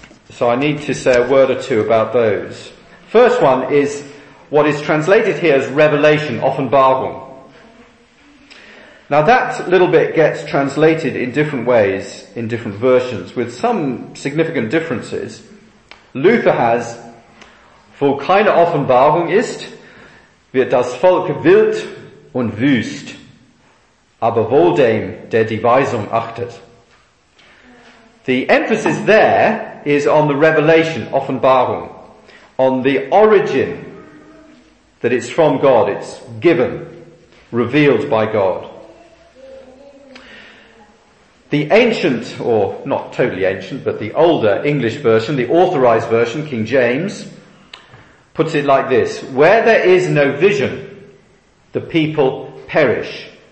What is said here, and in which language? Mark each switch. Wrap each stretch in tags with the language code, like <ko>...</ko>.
<en>So I need to say a word or two about those. First one is what is translated here as revelation, offenbarung. Now that little bit gets translated in different ways, in different versions, with some significant differences. Luther has,</en> <de>vor keine Offenbarung ist, wird das Volk wild und wüst, aber wohl dem, der die Weisung achtet.</de> <en>The emphasis there is on the revelation, Offenbarung, on the origin, that it's from God, it's given, revealed by God. The ancient, or not totally ancient, but the older English version, the authorized version, King James, puts it like this: where there is no vision, the people perish.</en>